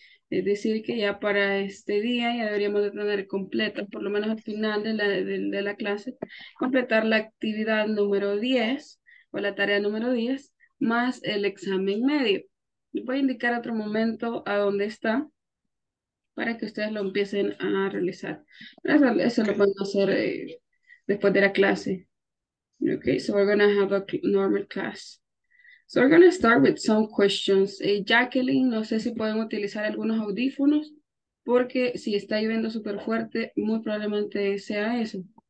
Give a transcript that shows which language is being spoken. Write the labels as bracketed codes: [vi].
[es] Es decir, que ya para este día ya deberíamos de tener completo, por lo menos al final de la clase, completar la actividad número 10 o la tarea número 10 más el examen medio. Y voy a indicar otro momento a dónde está para que ustedes lo empiecen a realizar. Eso lo podemos hacer después de la clase. [en] Okay, so we're gonna have a normal class. So we're going to start with some questions. [es] Jacqueline, no sé si pueden utilizar algunos audífonos, porque si está lloviendo súper fuerte, muy probablemente sea eso.